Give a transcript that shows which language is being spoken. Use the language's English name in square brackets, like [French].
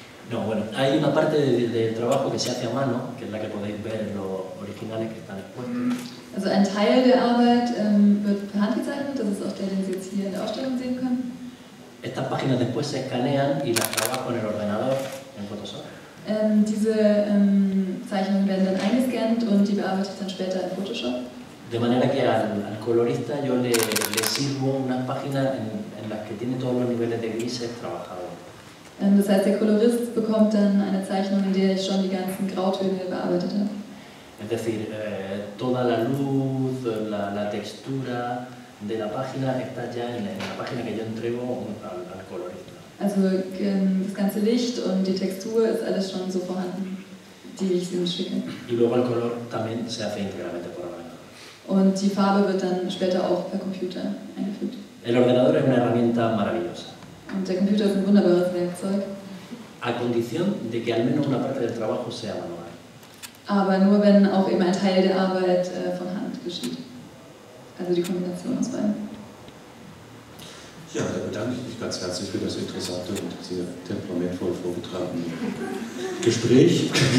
[Spanish] No, bueno, hay una parte del trabajo que se hace a mano, que es la que podéis ver en los originales que están expuestos. [German] Also ein Teil der Arbeit wird per Hand gezeichnet, das ist auch der, den Sie jetzt hier in der Ausstellung sehen können. [Spanish] Estas páginas después se escanean y las trabajo en el ordenador, en Photoshop. [German] Diese Zeichnungen werden dann eingescannt und die bearbeite ich dann später in Photoshop. [Spanish] De manera que al colorista yo le sirvo unas páginas en las que tiene todos los niveles de grises trabajados. [German] Das heißt, der Kolorist bekommt dann eine Zeichnung, in der ich schon die ganzen Grautöne bearbeitet habe. [Spanish] Es decir, toda la luz, la textura de la página está ya en la página que yo entrego al colorista. [German] Also, das ganze Licht und die Textur ist alles schon so vorhanden, die ich ihm schicke. [Spanish] Y luego el color también se hace íntegramente por ordenador. [German] Und die Farbe wird dann später auch per Computer eingefügt. [Spanish] El ordenador es una herramienta maravillosa. [German] Und der Computer ist ein wunderbares Werkzeug. [Spanish] a condición de que al menos una parte del trabajo sea manual. [German] Aber nur wenn auch eben ein Teil der Arbeit von Hand geschieht. Also die Kombination aus beiden. Ja, da bedanke ich mich ganz herzlich für das interessante und sehr temperamentvoll vorgetragene Gespräch.